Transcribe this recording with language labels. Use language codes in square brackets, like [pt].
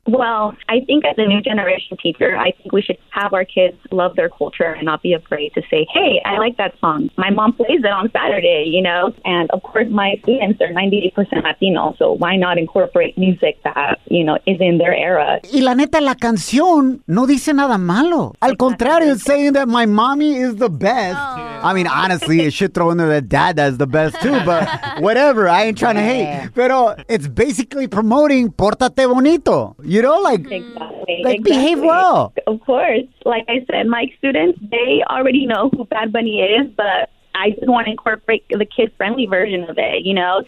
[en] Well, I think as a new generation teacher, I think we should have our kids love their culture and not be afraid to say, hey, I like that song. My mom plays it on Saturday, you know? And of course, my students are 98% Latino, so why not incorporate music that, you know, is in their era? [es] Y la neta, la canción no dice nada malo. Al contrario, [en] it's saying that my mommy is the best. Oh. I mean, honestly, it should throw in there that dad is the best too, but whatever, I ain't trying to hate. Pero it's basically promoting Pórtate Bonito. You know, like, behave well. Of course. Like I said, my students, they already know who Bad Bunny is, but I just want to incorporate the kid-friendly version of it, you know?